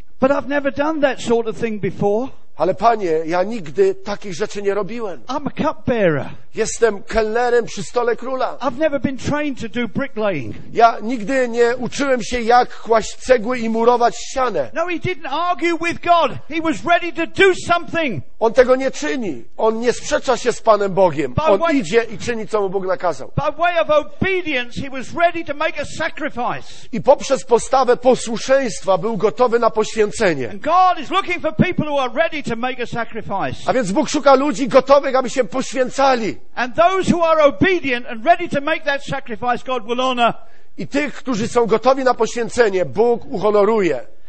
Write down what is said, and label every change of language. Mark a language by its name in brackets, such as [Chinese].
[English] But I've never done that sort of thing before. [Polish] Ale panie, ja nigdy takich rzeczy nie robiłem. [English] I'm a cupbearer. [Polish] Jestem kelnerem przy stole króla. [English] I've never been trained to do bricklaying. [Polish] Ja nigdy nie uczyłem się, jak kłaść cegły i murować ścianę. [English] No, he didn't argue with God. He was ready to do something. [Polish] On tego nie czyni. On nie sprzecza się z Panem Bogiem. On idzie i czyni, co mu Bóg nakazał. [English] By way of obedience, he was ready to make a sacrifice. [Polish] I poprzez postawę posłuszeństwa był gotowy na poświęcenie. [English] And God is looking for people who are ready to make a sacrifice. [Polish] A więc Bóg szuka ludzi gotowych, aby się poświęcali. [English] And those who are obedient and ready to make that sacrifice, God will honor. [Polish] I tych, którzy są gotowi na poświęcenie, Bóg uhonoruje.